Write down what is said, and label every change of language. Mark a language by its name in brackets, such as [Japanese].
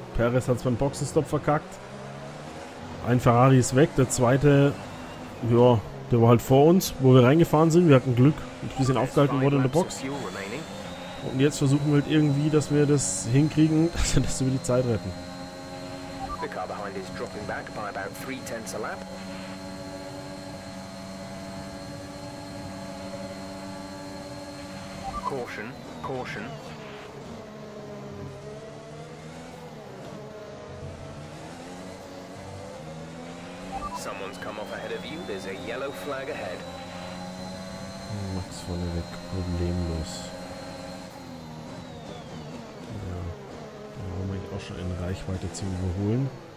[German] Perez hat es beim Boxenstopp verkackt. Ein Ferrari ist weg. Der zweite, ja, der war halt vor uns, wo wir reingefahren sind. Wir hatten Glück, ein bisschen aufgehalten wurde in der Box. Und jetzt versuchen wir halt irgendwie, dass wir das hinkriegen, dass wir das über die Zeit retten. [English] The car behind is dropping back by about 3/10 a lap. Caution, caution. Someone's come off ahead of you. There's a yellow flag ahead. [German] Max vorne weg, problemlos. Ja, da waren wir auch schon in Reichweite zu überholen.